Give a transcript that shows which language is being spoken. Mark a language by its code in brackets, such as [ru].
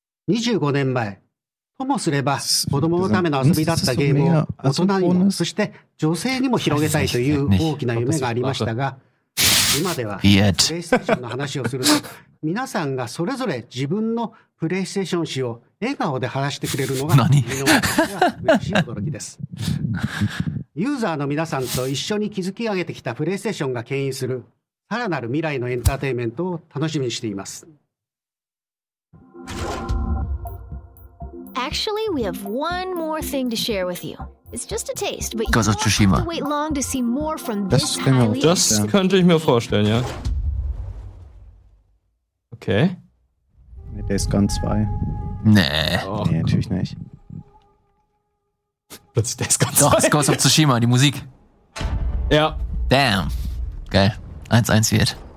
[ja] 25年前、ともすれば子供のための遊びだったゲームを大人にもそして女性にも広げたいという大きな夢がありましたが、今ではプレイステーションの話をすると皆さんがそれぞれ自分のプレイステーション史を笑顔で話してくれるのが嬉しい驚きです。ユーザーの皆さんと一緒に築き上げてきたプレイステーションが牽引するさらなる未来のエンターテインメントを楽しみにしています。 [en] Actually, we have one more thing to share with you. It's just a taste, but you won't have to wait long to see more from this highly interesting game. [de] Das könnte ich mir vorstellen, ja. Okay. Mit Days Gone 2. Nee. Oh, nee, natürlich nicht. Das ist Days Gone 2. Doch, Ghost of Tsushima, die Musik. Ja. Damn. Geil. 1-1 wird.